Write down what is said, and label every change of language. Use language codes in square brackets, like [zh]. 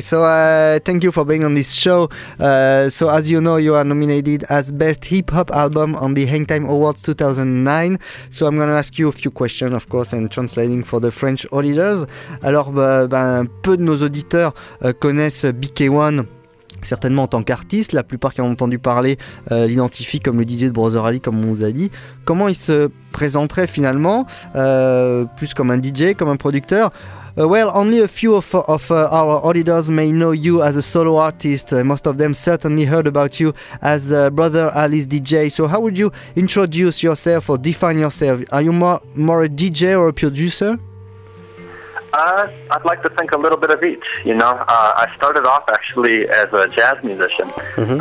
[en] So, thank you for being on this show. So, as you know, you are nominated as Best Hip-Hop Album on the Hangtime Awards 2009. So, I'm going to ask you a few questions, of course, and translating for the French auditors. [fr] Alors, peu de nos auditeurs connaissent BK1. Certainement en tant qu'artiste, la plupart qui ont entendu parler l'identifient comme le DJ de Brother Ali, comme on vous a dit. Comment il se présenterait finalement, plus comme un DJ, comme un producteur? [en] Well, only a few of our auditors may know you as a solo artist. Most of them certainly heard about you as Brother Ali's DJ. So how would you introduce yourself or define yourself? Are you more a DJ or a producer? I'd like to think a little bit of each, you know. I started off actually as a jazz musician. Mm-hmm.